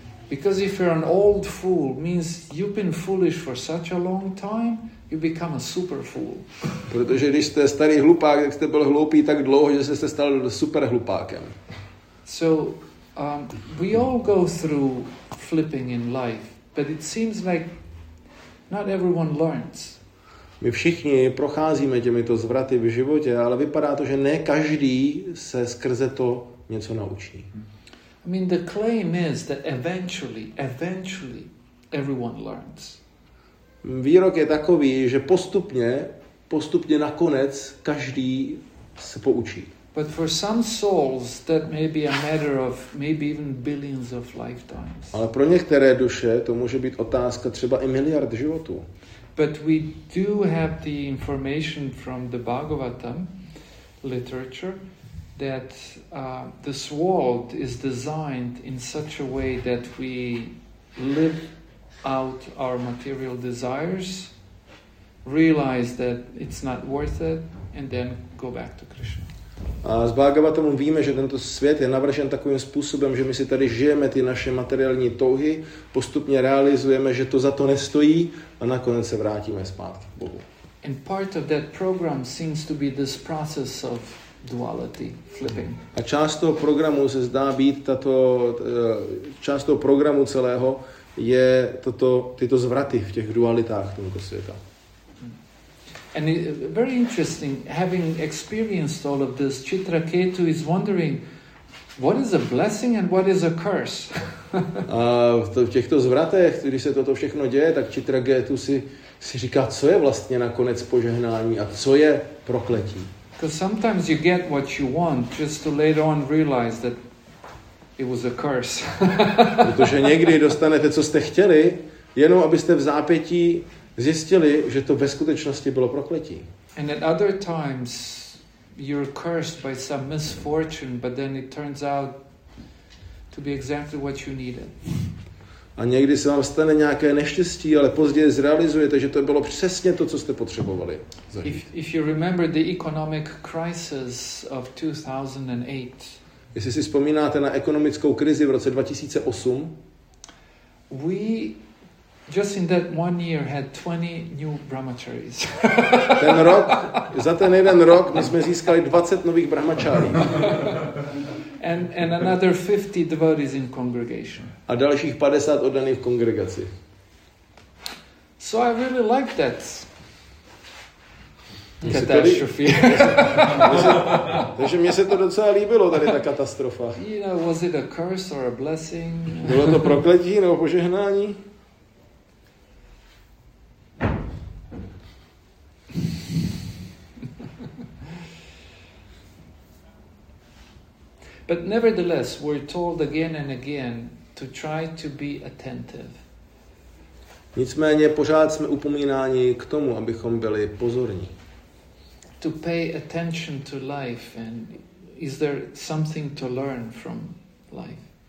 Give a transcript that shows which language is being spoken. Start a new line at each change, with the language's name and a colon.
English: Because if you're an old fool, means you've been foolish for such a long time, you become a super fool.
Czech: Protože když jste starý hlupák, tak jste byl hloupý tak dlouho, že jste stal super hlupákem.
English: So, we all go through flipping in life, but it seems like not everyone learns.
Czech: My všichni procházíme těmito zvraty v životě, ale vypadá to, že ne každý se skrze to něco naučí.
English: I mean the claim is that eventually everyone learns.
Czech: Výrok je takový, že postupně nakonec každý se poučí.
English: But for some souls that may be a matter of maybe even billions of lifetimes.
Czech: Ale pro některé duše to může být otázka třeba i miliard životů.
English: But we do have the information from the Bhagavatam literature that this world is designed in such a way that we live out our material desires, realize that it's not worth it, and then go back to Krishna.
Czech: A z Bhagavatamu víme, že tento svět je navržen takovým způsobem, že my si tady žijeme ty naše materiální touhy, postupně realizujeme, že to za to nestojí a nakonec se vrátíme zpátky k Bohu.
English: And part of that program seems to be this process of duality, flipping.
Czech: A část toho programu se zdá být tato, část toho programu celého je toto, tyto zvraty v těch dualitách tohoto světa.
English: And very interesting, having experienced all of this, Chitraketu is wondering, what is a blessing and what is a curse?
Czech: V těchto zvratech, když se toto všechno děje, tak Chitraketu si říká, co je vlastně nakonec požehnání a co je prokletí.
English: Because sometimes you get what you want, just to later on realize that it was a curse.
Czech: Protože někdy dostanete, co jste chtěli, jenom abyste v zápětí zjistili, že to ve skutečnosti bylo prokletí.
English: And at other times you're cursed by some misfortune, but then it turns out to be exactly what you needed.
Czech: A někdy se vám stane nějaké neštěstí, ale později zrealizujete, že to bylo přesně to, co jste potřebovali.
English: If you remember the economic crisis of 2008.
Czech: Jestli si vzpomínáte na ekonomickou krizi v roce 2008,
English: we just in that one year had 20 new brahmacharis.
Czech: Ten rok, za ten jeden rok my jsme získali 20 nových brahmacharí.
English: And another 50 devotees in congregation.
Czech: A dalších 50 oddaných v kongregaci.
English: So I really like that catastrophe.
Czech: Takže mě se to docela líbilo, tady ta katastrofa.
English: You know, was it a curse or a blessing?
Czech: Bylo to prokletí nebo požehnání?
English: But nevertheless, we're told again and again to try to be attentive.
Czech: Nicméně pořád jsme upomínáni k tomu, abychom byli pozorní.
English: To pay attention to life, and is there something to learn from life?